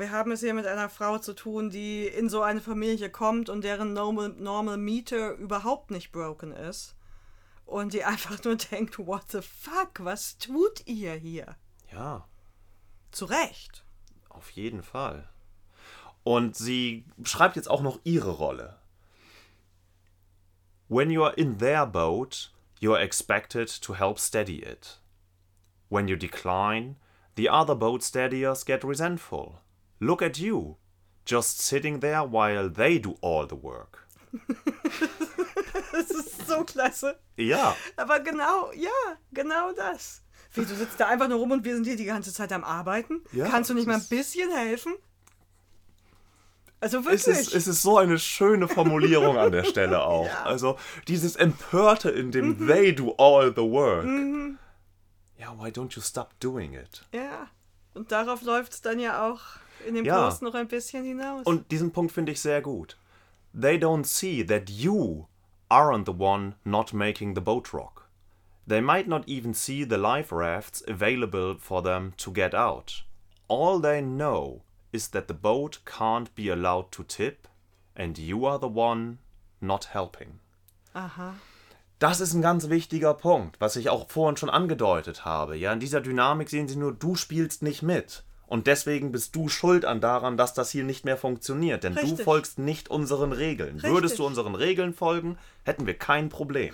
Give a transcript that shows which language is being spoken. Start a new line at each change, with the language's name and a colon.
German: Wir haben es hier mit einer Frau zu tun, die in so eine Familie kommt und deren normal Meter überhaupt nicht broken ist. Und die einfach nur denkt,
English: what the fuck,
German: was tut ihr hier? Ja. Zu Recht. Auf jeden Fall. Und sie schreibt jetzt auch noch ihre Rolle.
English: When you are in their boat, you are expected to help steady it. When you decline, the other boat steadiers get resentful. Look at you, just sitting there while they do all the work.
German: Das ist so klasse. Ja. Aber genau, ja, genau das. Wie, du sitzt da einfach nur rum und wir sind hier die ganze Zeit am Arbeiten? Ja, kannst du nicht mal ein bisschen helfen? Also wirklich. Es ist so eine schöne Formulierung an der Stelle auch. Ja. Also dieses Empörte in dem
English: they do all the work.
German: Ja,
English: why don't you stop doing it?
German: Ja, und darauf läuft es dann ja auch in dem Post noch ein bisschen hinaus. Und diesen Punkt finde ich sehr gut.
English: They don't see that you aren't the one not making the boat rock. They might not even see the life rafts available for them to get out. All they know is that the boat can't be allowed to tip and you are the one not helping.
German: Aha. Das ist ein ganz wichtiger Punkt, was ich auch vorhin schon angedeutet habe. Ja, in dieser Dynamik sehen sie nur, du spielst nicht mit. Und deswegen bist du schuld daran, dass das hier nicht mehr funktioniert. Denn Richtig. Du folgst nicht unseren Regeln. Richtig. Würdest du unseren Regeln folgen, hätten wir kein Problem.